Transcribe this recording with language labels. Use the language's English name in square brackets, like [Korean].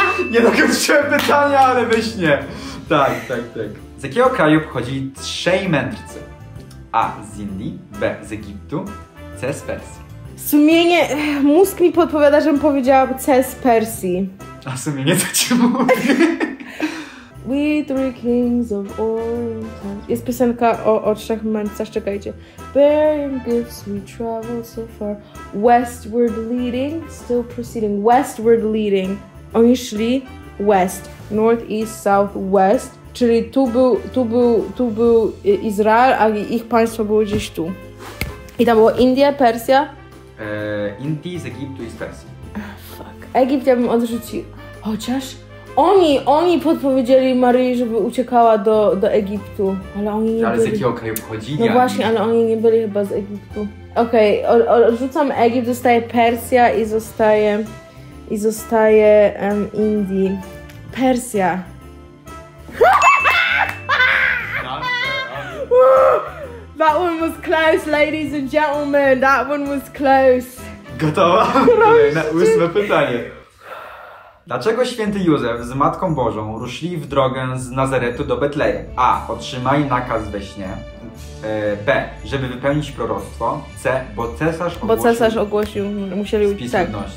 [Polish] Nie dokończyłem pytania, ale we śnie. Tak. Z jakiego kraju pochodzili trzej mędrcy? A. Z Indii, B. Z Egiptu, C. Z Persji. Sumienie, mózg mi podpowiada, żebym powiedziała C z Persji. A sumienie co ci mówi? [English] We three kings of Orient. [Polish] Jest piosenka o trzech mędrcach, czekajcie. [English] Bearing gifts we travel so far. Westward leading, still proceeding. Westward leading. [Polish] Oni szli [English] west, north, east, south, west. [Polish] Czyli tu był Izrael, a ich państwo było gdzieś tu. I tam było Indie, Persja. Indii, z Egiptu i z Persji. [English] Fuck. [Polish] Egipt ja bym odrzucił. Chociaż oni podpowiedzieli Maryi, żeby uciekała do Egiptu. Ale oni nie ale byli. Ale z jakiego kraju pochodzili? No właśnie, ale oni nie byli chyba z Egiptu. Okej, okay, odrzucam Egipt, zostaje Persja i zostaje. I zostaje Indii. Persja. [English] That one was close, ladies and gentlemen. That one was close. [Polish] Gotowa? Na 8 pytanie. Dlaczego święty Józef z Matką Bożą ruszyli w drogę z Nazaretu do Betlejem? A. Otrzymaj nakaz we śnie. B. Żeby wypełnić proroctwo. C. Bo cesarz ogłosił. Bo cesarz ogłosił, musieli spis ludności.